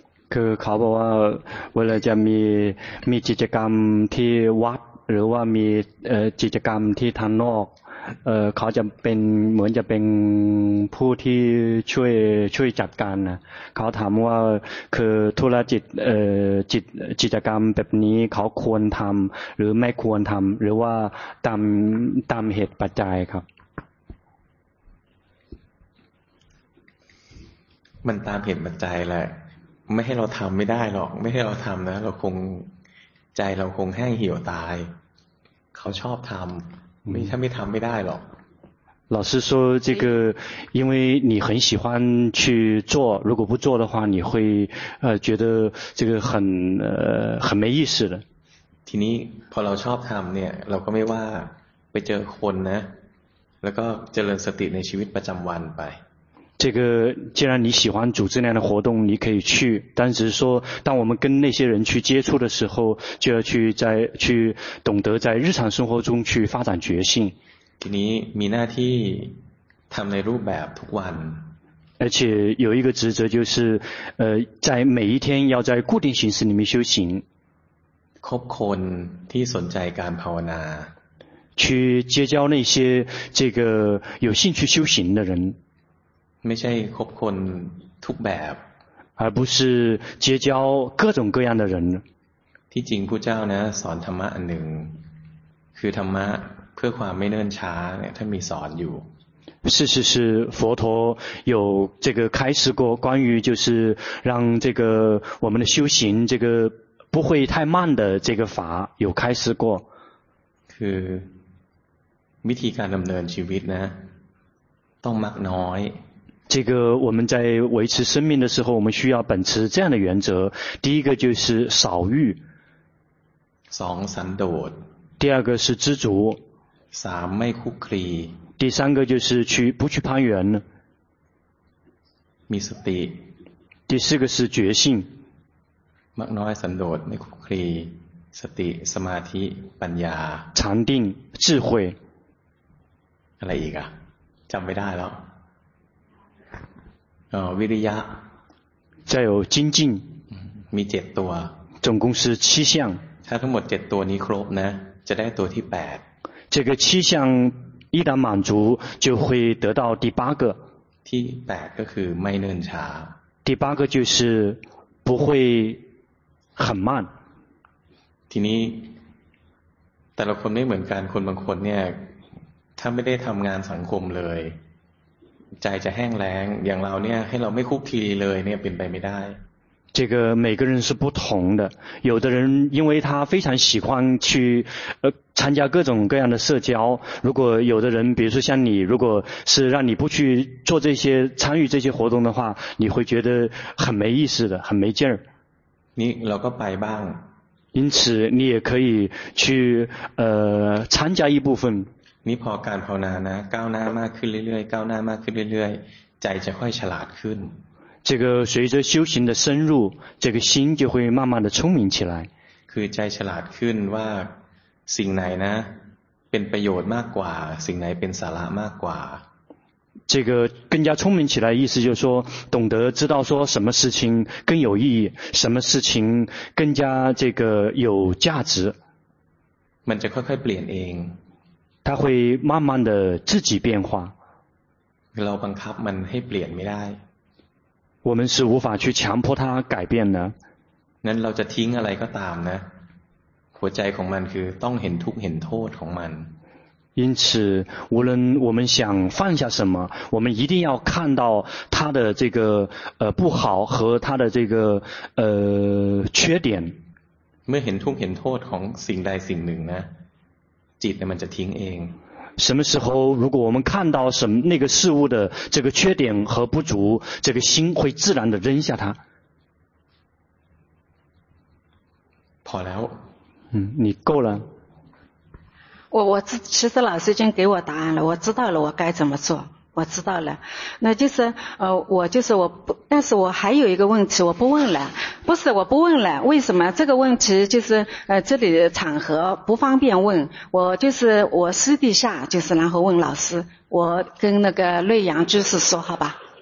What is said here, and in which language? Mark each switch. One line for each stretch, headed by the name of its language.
Thai: คือเขาบอกว่าเวลาจะมีกิจกรรมที่วัดหรือว่ามีกิจกรรมที่ทางนอกเขาจะเป็นเหมือนจะเป็นผู้ที่ช่วยจัดการนะเขาถามว่าคือธุรกิจกิจกรรมแบบนี้เขาควรทำหรือไม่ควรทำหรือว่าตามเหตุปัจจัยครับ มันตามเหตุปัจจัยแหละไม่ให้เราทำไม่ได้หรอกไม่ให้เราทำนะเราคงใจเราคงแห้งเหี่ยวตายเขาชอบทำ
Chinese: 没他没谈没带了老师说这个因为你很喜欢去做，如果不做的话你会觉得这个很没意思的
Thai: ทีนี้พอเราชอบทำเนี่ยเราก็ไม่ว่าไปเจอคนนะแล้วก็เจริญสติในชีวิตประจำวันไป
Chinese: 这个既然你喜欢组织那样的活动你可以去，但只是说当我们跟那些人去接触的时候就要去懂得在日常生活中去发展觉性。今天
Thai: มีหน้าที่ทำในรูปแบบทุกวัน
Chinese: 而且有一个职责就是在每一天要在固定形式里面修行。
Thai: ครบคนที่สนใจการภาวนา
Chinese: 去结交那些这个有兴趣修行的人。
Thai: ไม่ใช่คบคนทุกแบบ
Chinese: 而不是结交各种各样的人
Thai: ที่จริงพุทธเจ้านะสอนธรรมะอันหนึ่งคือธรรมะเพื่อความไม่เนิ่นช้าเนี่ยท่านมีสอนอยู่
Chinese: 是佛陀有这个开始过关于就是让这个我们的修行这个不会太慢的这个法有开始过
Thai: คือวิธีการดำเนินชีวิตนะต้องมักน้อย
Chinese: 这个我们在维持生命的时候我们需要秉持这样的原则第一个就是少欲 2散惰第二个是知足
Thai: 3ไม่คุกคลี
Chinese: 第三个就是不去攀缘
Thai: มีสติ
Chinese: 第四个是觉性
Thai: มักน้อยสันโดษไม่คุกคลีสติสมาธิปัญญา
Chinese: 禅定智慧
Thai: อะไรอีกอ่ะจำไม่ได้แล้ววิริยะ
Chinese: 再有精进
Thai: มี7ตัว
Chinese: 总共是7项
Thai: ถ้าทั้งหมด7ตัวนี้ครบนะจะได้ตัวที่8
Chinese: 这个7项一旦满足就会得到第8个
Thai: ที่8ก็คือไม่เนิ่นช้า
Chinese: 第8个就是不会很慢
Thai: ทีนี้แต่ละคนไม่เหมือนกันคนบางคนเนี่ยถ้าไม่ได้ทำงานสังคมเลยใจจะแห้งแล้งอย่างเราเนี่ยให้เราไม่คุกคีเลยเนี่ยเป็นไปไม่ได้
Chinese: 这个每个人是不同的有的人因为他非常喜欢去参加各种各样的社交如果有的人比如说像你如果是让你不去做这些参与这些活动的话你会觉得很没意思的很没劲儿
Thai: 你เราก็ไปบ้าง
Chinese: 因此你也可以去参加一部分
Thai: นี่พอการภาวนานะก้าวหน้ามากขึ้นเรื่อยๆก้าวหน้ามากขึ้นเรื่อยๆใจจะค่อยฉลาดขึ้น
Chinese: 这个随着修行的深入这个心就会慢慢的聪明起来
Thai: คือใจฉลาดขึ้นว่าสิ่งไหนนะเป็นประโยชน์มากกว่าสิ่งไหนเป็นสาระมากกว่า
Chinese: 这个更加聪明起来，意思就是说懂得知道说什么事情更有意义，什么事情更加这个有价值。
Thai: มันจะค่อยๆเปลี่ยนเอง
Chinese: 它会慢慢的自己变化。
Thai: เราบังคับมันให้เปลี่ยนไม่ได้
Chinese: 我们是无法去强迫它改变的。
Thai: นั้นเราจะทิ้งอะไรก็ตามนะหัวใจของมันคือต้องเห็นทุกข์เห็นโทษของมัน
Chinese: 因此无论我们想放下什么我们一定要看到它的这个不好和它的这个缺点
Thai: เมื่อเห็นทุกข์เห็นโทษของสิ่งใดสิ่งหนึ่งนะจิตมันจะทิ้งเอง
Chinese: 什么时候如果我们看到什么那个事物的这个缺点和不足这个心会自然的扔下它跑了你够了我其实老师已经给我答案了我知道了我该怎么做我知道了那就是我就是我不但是我还有一个问题我不问了不是我不问了为什么这个问题就是这里的场合不方便问我就是我私底下就是然后问老师我跟那个瑞阳居士说好吧